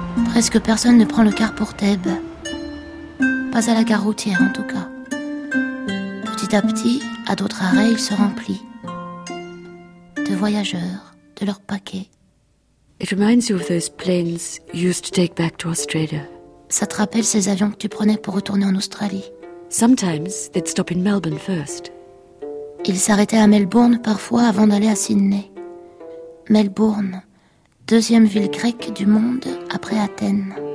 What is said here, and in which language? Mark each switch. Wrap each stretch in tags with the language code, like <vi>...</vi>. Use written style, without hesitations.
<fr>Presque personne ne prend le car pour Thèbes. Pas à la gare routière en tout cas. Petit à petit, à d'autres arrêts, il se remplit. De voyageurs, de leurs paquets.</fr> <en>It reminds you of those planes you used to take back to Australia.</en> <fr>Ça te rappelle ces avions que tu prenais pour retourner en Australie?</fr> <en>Sometimes they'd stop in Melbourne first.</en> <fr>Ils s'arrêtaient à Melbourne parfois avant d'aller à Sydney. Melbourne, deuxième ville grecque du monde après Athènes.</fr>